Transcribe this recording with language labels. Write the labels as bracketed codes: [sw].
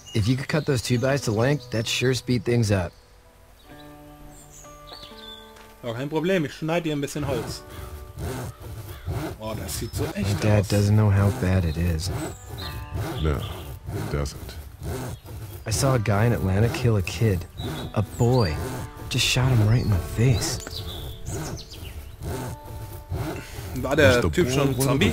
[en] If you could cut those two bys to length, that'd sure speed things up. [de] Oh, kein Problem, ich schneide dir ein bisschen Holz. Oh, das sieht so echt aus. [en] My dad doesn't know how bad it is. No, it doesn't. I saw a guy in Atlanta kill a kid. A boy. Just shot him right in the face. [de] War der Typ schon Zombie?